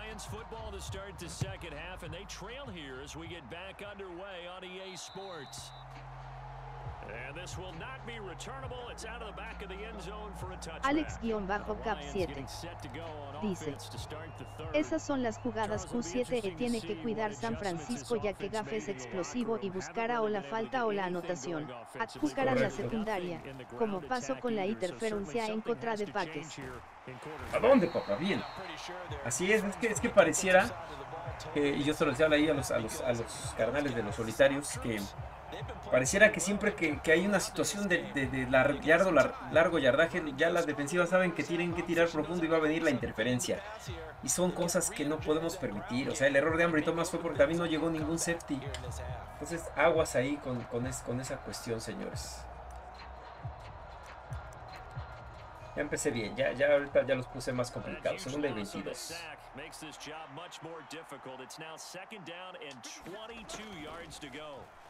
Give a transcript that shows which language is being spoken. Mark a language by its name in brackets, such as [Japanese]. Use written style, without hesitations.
[English] Football to start the second half, and they trail here as we get back underway on EA Sports. And this will not be returnable. It's out of the back of the end zone for a touchdown. [Spanish] Alex-Cap 7 dice, esas son las jugadas Q7 que tiene que cuidar San Francisco, ya que Gaff es explosivo y buscará o la falta o la anotación. Atacarán la secundaria, como pasó con la interferencia en contra de Paques. ¿A dónde, papá? Bien. Así es que pareciera que, y yo se lo decía ahí a los carnales de los solitarios, que pareciera que siempre que hay una situación de largo yardaje, ya las defensivas saben que tienen que tirar profundo y va a venir la interferencia. Y son cosas que no podemos permitir. O sea, el error de Ambry Thomas fue porque también no llegó ningún safety. Entonces, aguas ahí con esa cuestión, señores. Ya empecé bien, ya ahorita los puse más complicados. Segunda y 22. [English] Makes this job much more difficult. It's now second down and 22 yards to go.